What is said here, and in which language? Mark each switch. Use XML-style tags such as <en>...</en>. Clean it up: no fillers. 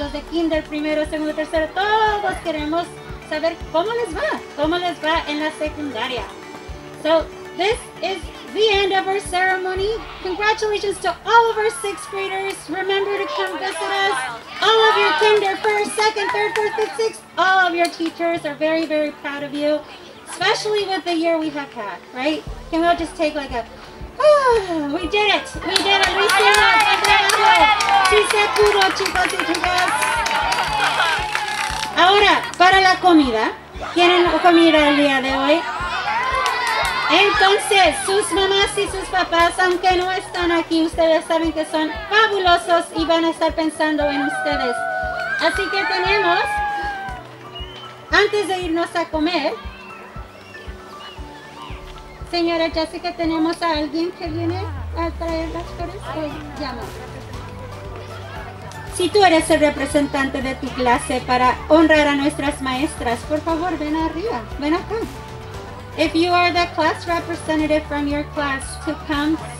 <es>Kinder, primero, segundo, tercero, todos queremos saber cómo les va en la secundaria.</es> <en>So, this is the end of our ceremony. Congratulations to all of our sixth graders. Remember to come visit us. All of your kinder, first, second, third, fourth, fifth, sixth, all of your teachers are very, very proud of you, especially with the year we have had, right? Can we all just take like a, we did it. We did it. We did it. We did it.</en> <es>Ahora, para la comida, ¿quieren comida el día de hoy? Entonces, sus mamás y sus papás, aunque no están aquí, ustedes saben que son fabulosos y van a estar pensando en ustedes. Así que tenemos, antes de irnos a comer, señora Jessica, tenemos a alguien que viene a traer las flores. Pues, llama. Si tú eres el representante de tu clase para honrar a nuestras maestras, por favor, ven arriba, ven acá.</es> <en>If you are the class representative from your class to come.</en>